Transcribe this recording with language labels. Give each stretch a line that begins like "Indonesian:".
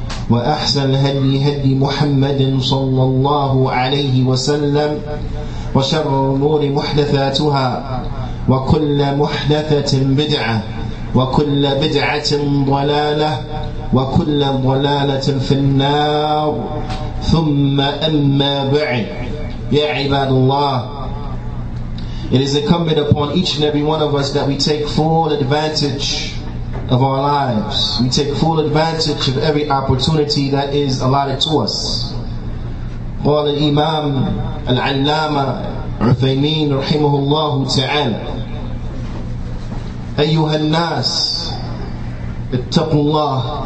Arabic: وأحسن الهدي هدي محمد صلى الله عليه وسلم وشر الأمور محدثاتها وكل محدثة بدعة وكل بدعة ضلالة وكل ضلالة في النار ثم أما بعد يا عباد الله.
English: It is incumbent upon each and every one of us that we take full advantage of our lives. We take full advantage of every opportunity that is allotted to us.
Arabic: قال الإمام العلامة عثيمين رحمه الله تعالى أيها الناس اتقوا الله.